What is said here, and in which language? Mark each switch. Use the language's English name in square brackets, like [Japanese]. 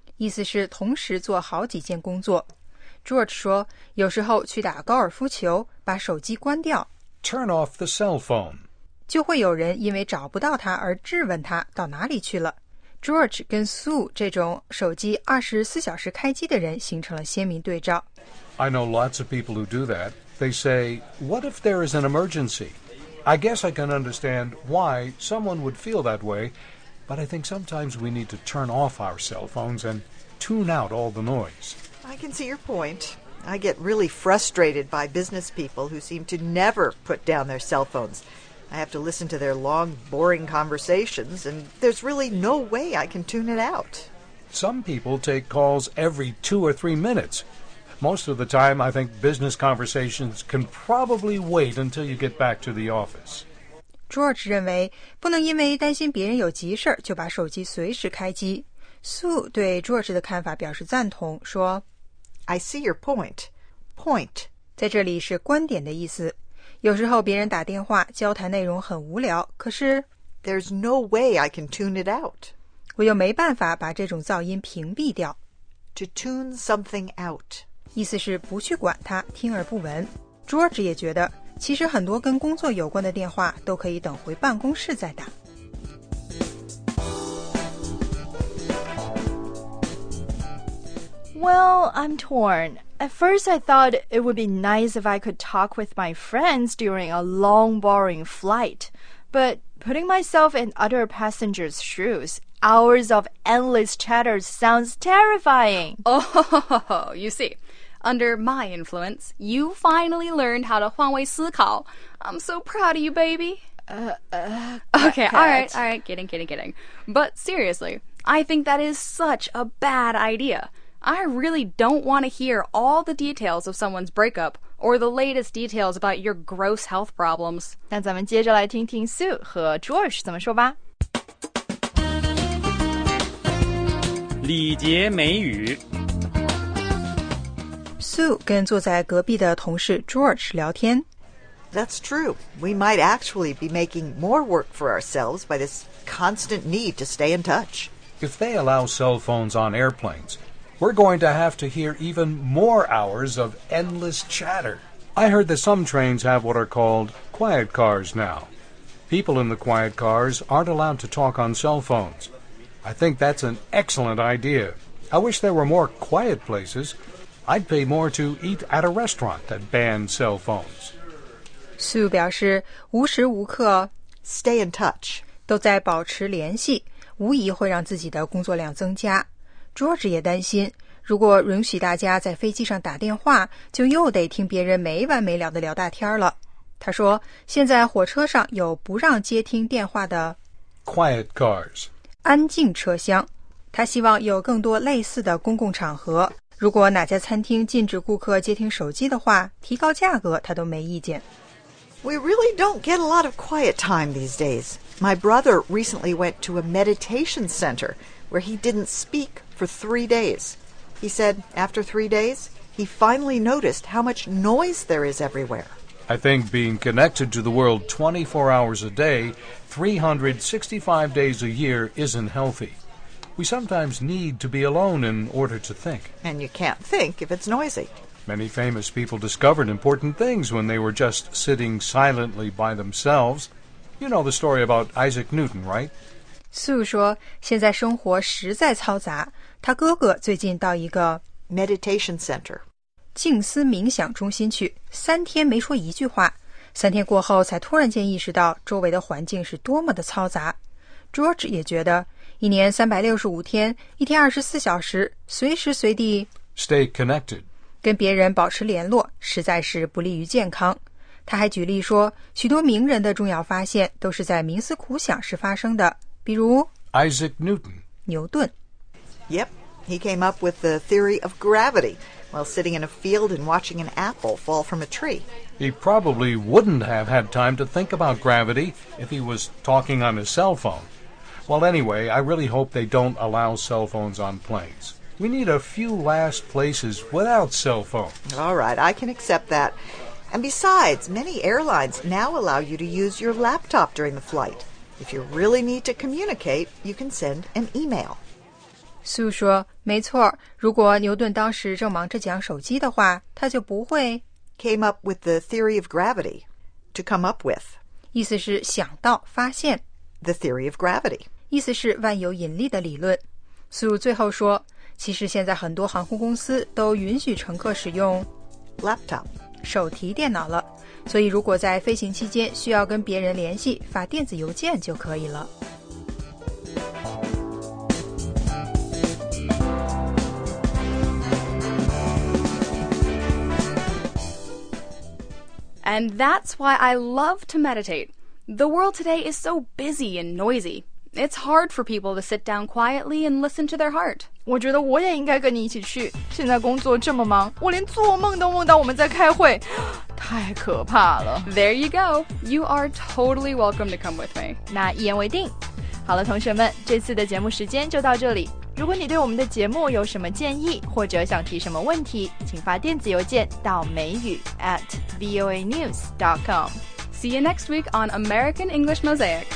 [Chinese] 意思是同时做好几件工作。George 说，有时候去打高尔夫球，把手机关掉。 [English] Turn off the cell phone. [Chinese] 就会有人因为找不到他而质问他到哪里去了。 George 跟 Sue 这种手机24小时开机的人形成了鲜明对照。 [English] I know lots of people who do that. They say, what if there is an emergency? I guess I can understand why someone would feel that way, but I think sometimes we need to turn off our cell phones and tune out all the noise. I can see your point. I get really frustrated by business people who seem to never put down their cell phones. I have to listen to their long, boring conversations, and there's really no way I can tune it out. Some people take calls every 2 or 3 minutes,Most of the time, I think business conversations can probably wait until you get back to the office. [Chinese] George 认为不能因为担心别人有急事就把手机随时开机。 Sue 对 George 的看法表示赞同，说 [English] I see your point. Point [Chinese] 在这里是观点的意思。有时候别人打电话，交谈内容很无聊，可是 [English] There's no way I can tune it out. [Chinese] 我又没办法把这种噪音屏蔽掉。 [English] To tune something out. [Chinese] 意思是不去管它，听而不闻。George 也觉得，其实很多跟工作有关的电话都可以等回办公室再打。 [English] Well, I'm torn. At first, I thought it would be nice if I could talk with my friends during a long, boring flight. But putting myself in other passengers' shoes... Hours of endless chatter sounds terrifying. Oh, you see, under my influence, you finally learned how to [Chinese] 换位思考. [English] I'm so proud of you, baby. Okay, all right, kidding. But seriously, I think that is such a bad idea. I really don't want to hear all the details of someone's breakup or the latest details about your gross health problems. [Chinese] 那咱们接着来听听 Sue 和 George 怎么说吧。礼节美语。 Sue 跟坐在隔壁的同事 George 聊天。 [English] That's true. We might actually be making more work for ourselves by this constant need to stay in touch. If they allow cell phones on airplanes, we're going to have to hear even more hours of endless chatter. I heard that some trains have what are called quiet cars now. People in the quiet cars aren't allowed to talk on cell phones. I think that's an excellent idea. I wish there were more quiet places. I'd pay more to eat at a restaurant that banned cell phones. [Chinese] Sue 表示无时无刻 [English] stay in touch [Chinese] 都在保持联系，无疑会让自己的工作量增加。 George 也担心，如果允许大家在飞机上打电话，就又得听别人没完没了的聊大天了。他说，现在火车上有不让接听电话的 quiet cars 安静车厢。他希望有更多类似的公共场合。如果哪家餐厅禁止顾客接听手机的话，提高价格他都没意见。 [English] We really don't get a lot of quiet time these days. My brother recently went to a meditation center where he didn't speak for 3 days. He said after 3 days, he finally noticed how much noise there is everywhere. I think being connected to the world 24 hours a day, 365 days a year isn't healthy. We sometimes need to be alone in order to think. And you can't think if it's noisy. Many famous people discovered important things when they were just sitting silently by themselves. You know the story about Isaac Newton, right? [Chinese] Sue 说现在生活实在嘈杂，他哥哥最近到一个 [English] meditation center [Chinese] 静思冥想中心去，三天没说一句话，三天过后才突然间意识到周围的环境是多么的嘈杂。 George 也觉得一年365天，一天24小时，随时随地 [English] stay connected [Chinese] 跟别人保持联络实在是不利于健康。他还举例说，许多名人的重要发现都是在冥思苦想时发生的，比如 [English] Isaac Newton [Chinese] 牛顿。 [English] Yep, he came up with the theory of gravity while sitting in a field and watching an apple fall from a tree. He probably wouldn't have had time to think about gravity if he was talking on his cell phone. Well, anyway, I really hope they don't allow cell phones on planes. We need a few last places without cell phones. All right, I can accept that. And besides, many airlines now allow you to use your laptop during the flight. If you really need to communicate, you can send an email. [Chinese] Sue 说，没错，如果牛顿当时正忙着讲手机的话，他就不会 [English] came up with the theory of gravity to come up with. [Chinese] 意思是想到发现 [English] the theory of gravity. [Chinese] 意思是万有引力的理论。Sue 最后说其实现在很多航空公司都允许乘客使用 [English] laptop [Chinese] 手提电脑了，所以如果在飞行期间需要跟别人联系，发电子邮件就可以了。 [English] And that's why I love to meditate. The world today is so busy and noisy. It's hard for people to sit down quietly and listen to their heart. [Chinese] 我觉得我也应该跟你一起去，现在工作这么忙，我连做梦都梦到我们在开会，太可怕了。 [English] There you go, you are totally welcome to come with me. [Chinese] 那一言为定。好了，同学们，这次的节目时间就到这里。如果你对我们的节目有什么建议，或者想提什么问题，请发电子邮件到mayu@voanews.com. [English] See you next week on American English Mosaic.